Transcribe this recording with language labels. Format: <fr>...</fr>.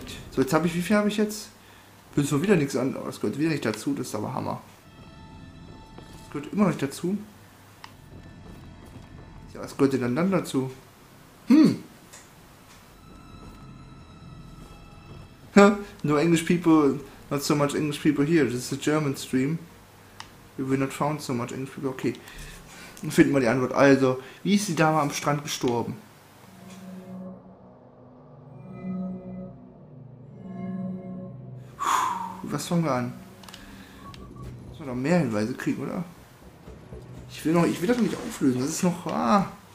<de>So, jetzt habe ich, wie viel habe ich jetzt? Bin schon wieder nichts an. Oh, das gehört wieder nicht dazu. Das ist aber Hammer. Das gehört immer noch nicht dazu. Ja, was gehört denn dann dazu?</de> <en>No English people, not so much English people here. This is a German stream. We will not found so much English people. Okay.</en> <de>Dann finden wir die Antwort. Also, wie ist die Dame am Strand gestorben? Puh, was fangen wir an? Müssen wir noch mehr Hinweise kriegen, oder? Ich will das noch nicht auflösen. Das ist noch. Ah.</de>